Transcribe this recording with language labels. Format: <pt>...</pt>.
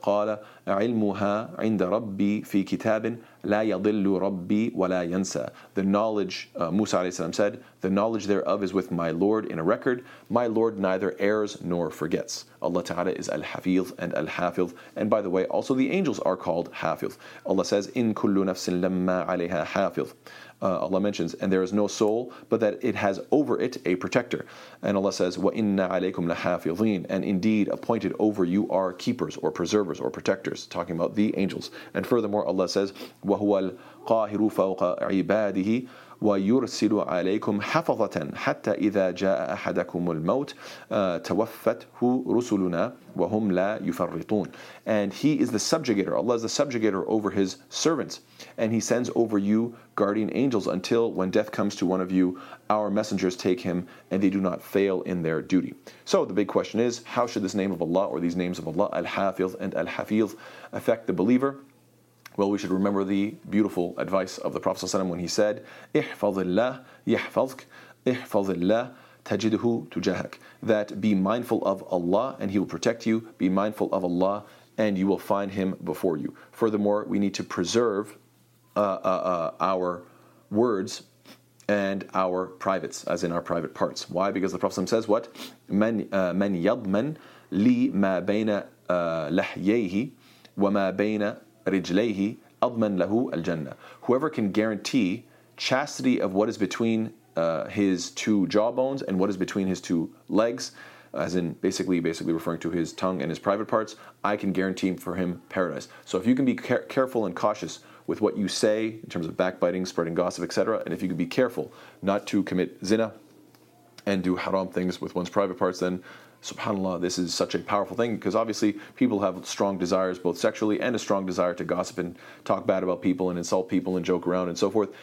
<ar>قَالَ عِلْمُهَا عِنْدَ رَبِّي فِي كِتَابٍ لَا يَضِلُّ رَبِّي وَلَا يَنْسَى.</ar> <en>The knowledge, Musa alayhi salam said, the knowledge thereof is with my Lord in a record. My Lord neither errs nor forgets. Allah Ta'ala is Al-Hafiz and Al-Hafiz. And by the way, also the angels are called Hafiz. Allah says,</en> <ar>إِن كُلُّ نَفْسٍ لَمَّا عَلَيْهَا حَافِظ.</ar> <en>Allah mentions, and there is no soul, but that it has over it a protector. And Allah says,</en> <ar>وَإِنَّ عَلَيْكُمْ لَحَافِظِينَ.</ar> <en>And indeed, appointed over you are keepers or preservers or protectors, talking about the angels. And furthermore, Allah says,</en> <ar>وَهُوَ الْقَاهِرُ فَوْقَ عِبَادِهِ وَيُرْسِلُ عَلَيْكُمْ حَفَظَةً حَتَّى إِذَا جَاءَ أَحَدَكُمُ الْمَوْتِ تَوَفَّتْهُ رُسُلُنَا وَهُمْ لَا يُفَرِّطُونَ.</ar> <en>And He is the subjugator. Allah is the subjugator over His servants. And He sends over you guardian angels until when death comes to one of you, our messengers take him and they do not fail in their duty. So the big question is, how should this name of Allah or these names of Allah, Al-Hafiz and Al-Hafiz, affect the believer? Well, we should remember the beautiful advice of the Prophet ﷺ when he said,</en> <ar>احفظ الله يحفظك, احفظ الله تجده تجاهك,</ar> <en>that be mindful of Allah and He will protect you, be mindful of Allah and you will find Him before you. Furthermore, we need to preserve our words and our privates, as in our private parts. Why? Because the Prophet ﷺ says what?</en> <ar>من يضمن لي ما بين لحييه وما بين رجليه أضمن له الجنة.</ar> <en>Whoever can guarantee chastity of what is between his two jawbones and what is between his two legs, as in basically referring to his tongue and his private parts, I can guarantee for him paradise. So if you can be careful and cautious with what you say in terms of backbiting, spreading gossip, etc., and if you can be careful not to commit zina and do haram things with one's private parts, then subhanAllah, this is such a powerful thing, because obviously people have strong desires both sexually and a strong desire to gossip and talk bad about people and insult people and joke around and so forth.</en>